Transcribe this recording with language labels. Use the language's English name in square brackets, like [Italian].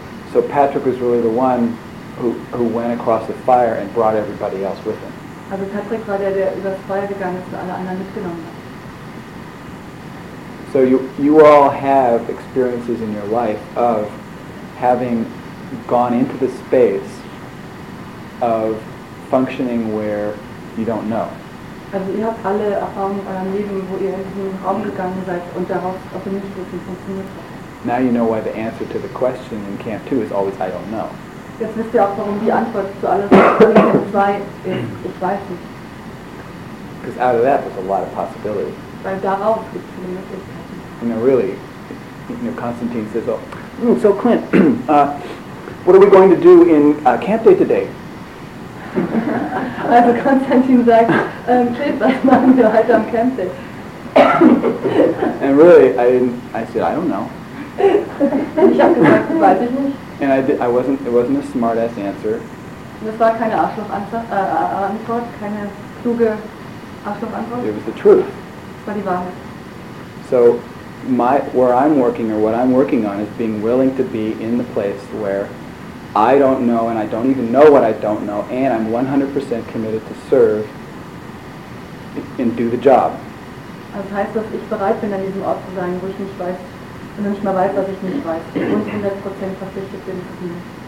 [English] So Patrick was really the one who went across the fire and brought everybody else with him. [German] Also Patrick war der, der über das Feuer gegangen ist und alle anderen mitgenommen hat. [English] So you all have experiences in your life of having gone into the space of functioning where you don't know. [German] Also ihr habt alle Erfahrungen in eurem Leben, wo ihr in diesen Raum gegangen seid und darauf auf dem nicht wissen funktioniert. [English] Now you know why the answer to the question in Camp 2 is always I don't know. [German] Jetzt wisst ihr auch, warum die Antwort zu alles in Camp 2 ist, ich weiß nicht. [English] Because out of that there's a lot of possibility. [German] Weil darauf gibt es viele Möglichkeiten. [English] You know, really, you know, Constantine says, oh, so Clint, what are we going to do in Camp Day today? [German] Also Konstantin sagt, Clint, was machen wir heute am Camp Day? [English] And really, I said, I don't know. [German] Ich habe gesagt, weiß ich nicht. [English] And it wasn't a smart-ass answer. [German] Das war keine Arschloch-Antwort, keine kluge Arschloch-Antwort. [English] It was the truth. [German] Es war die Wahrheit. [English] So, where I'm working or what I'm working on is being willing to be in the place where I don't know and I don't even know what I don't know and I'm 100% committed to serve and do the job. [German] Das heißt, dass ich bereit bin, an diesem Ort zu sein, wo ich nicht weiß, wo ich nicht mal weiß, was ich nicht weiß und 100% verpflichtet bin zu dienen.